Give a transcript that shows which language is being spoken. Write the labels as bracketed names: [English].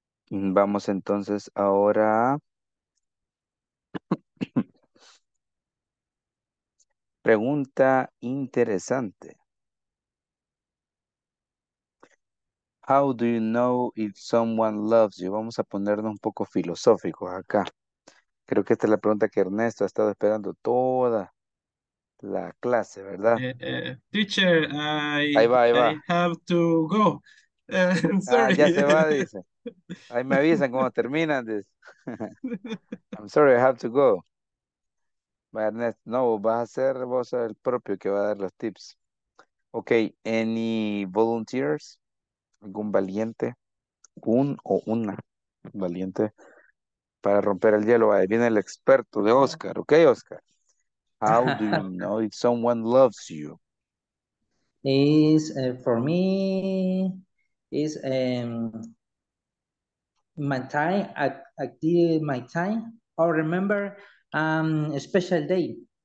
[Spanish] Vamos entonces ahora. Pregunta interesante. [English] How do you know if someone loves you? [Spanish] Vamos a ponernos un poco filosóficos acá. Creo que esta es la pregunta que Ernesto ha estado esperando toda la clase, ¿verdad? [English] Teacher, [Spanish] ahí va. [English] I have to go. Sorry. [Spanish] Ya se va, dice. Ahí me avisan cuando terminan. Dice. [English] I'm sorry, I have to go. [Spanish] But Ernest, no, vas a ser vos el propio que va a dar los tips. [English] Ok, any volunteers? [Spanish] ¿Algún valiente? ¿Un o una valiente? Para romper el hielo, ahí viene el experto de Oscar. [English] Ok, Oscar. How do you know if someone loves you? Is for me is my time. I did my time. Or remember a special day.